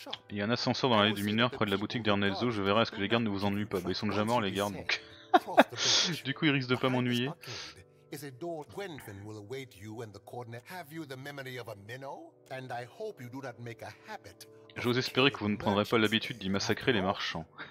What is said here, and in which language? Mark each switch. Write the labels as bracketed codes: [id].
[fr] Il y a un ascenseur dans l'allée du mineur près de la boutique d'Ernezzo. Je verrai à ce que les gardes ne vous ennuient pas. Bah, ils sont déjà morts, les gardes, donc. Du coup, ils risquent de pas m'ennuyer. [en] Is it Lord Gwenfin will await you and the coordinate? Have you the memory of a minnow? And I hope you do not make a habit. [fr] J'ose espérer que vous ne prendrez pas l'habitude d'y massacrer les marchands.